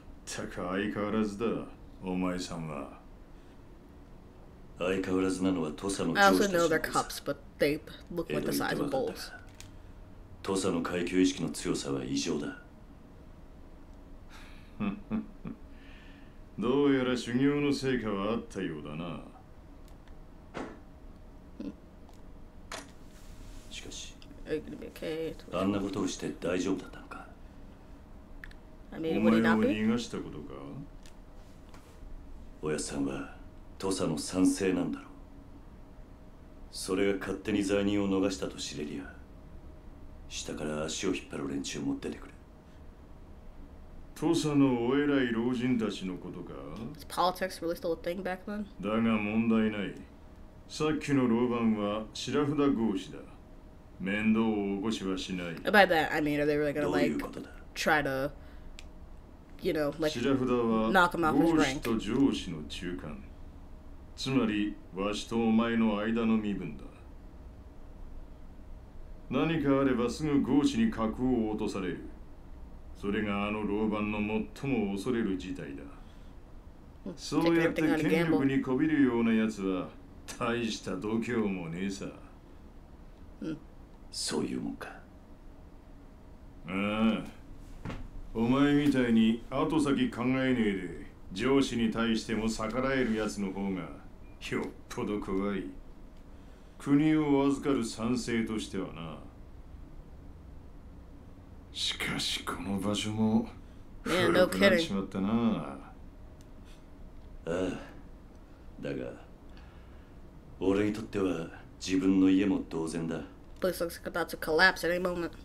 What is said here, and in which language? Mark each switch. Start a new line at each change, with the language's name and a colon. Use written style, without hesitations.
Japanese: ったく相変わらずだ、お前さんは。相変わらずなのは土佐の上司たちです。
English: I also know they're cops, but they look like the size of bulls.
Japanese: 土佐の階級意識の強さは異常だ。どうやら修行の成果はあったようだな。しかし、
English: okay.
Japanese: あんなことをして大丈夫だったのか。お前を逃がしたことか。おやさんは土佐の賛成なんだろう。それが勝手に罪人を逃したと知れりゃ、下から足を引っ張る連中も出てくる。土佐のお偉い老人たちのことか。
English: Is politics really still a thing back then?
Japanese: だが問題ない。さっきの老番は白札合子だ。面倒を起こしはしない。
English: By that, I mean, are they really gonna like try to, you know, like knock him off his rank?
Japanese: 白札は合子と上司の中間、つまりわしとお前の間の身分だ。何かあればすぐ合子に格を落とされる。それがあの老番の最も恐れる事態だ。そうやって権力にこびるようなやつは大した度胸もねえさ。そういうもんか。ああ、お前みたいに後先考えねえで上司に対しても逆らえるやつの方がよっぽど怖い。国を預かる賛成としてはな。しかしこの場所も古くなっちまったな。ああ、だが俺にとっては自分の家も同然だ。
English: Place looks like about to collapse at any moment.